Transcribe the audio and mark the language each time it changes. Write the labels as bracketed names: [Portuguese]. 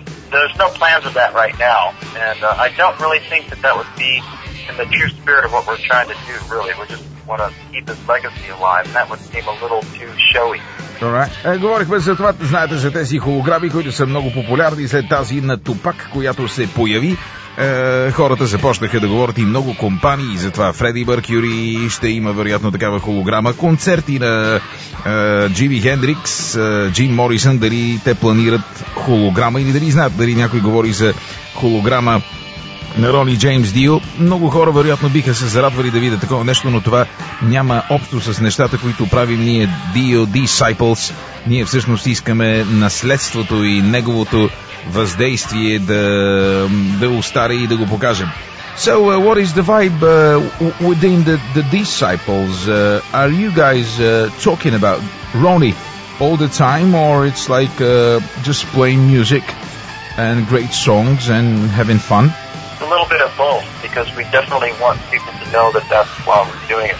[English] There's no plans of that right now, and I don't really think that that would be in the true spirit of what we're trying to do, really. We just want to keep his legacy alive, and that would seem a little too showy. [Bulgarian] Говорихме за това, знаете, за тези холограми, които са много популярни след тази на Тупак, която се появи. Хората започнаха да говорят и много компании, затова Фреди Меркюри ще има вероятно такава холограма. Концерти на Джими Хендрикс, Джим Морисън, дали те планират холограма или дали знаят, дали някой говори за холограма на Рони Джеймс Дио. Много хора вероятно биха се зарадвали да видят такова нещо, но това няма общо с нещата, които правим ние, Дио Disciples. Ние всъщност искаме наследството и неговото въздействие да остари и да го покажем. [English] So, what is the vibe within the Disciples? Are you guys talking about Rony all the time, or it's like just playing music and great songs and having fun? A little bit of both, because we definitely want people to know that that's why we're doing it.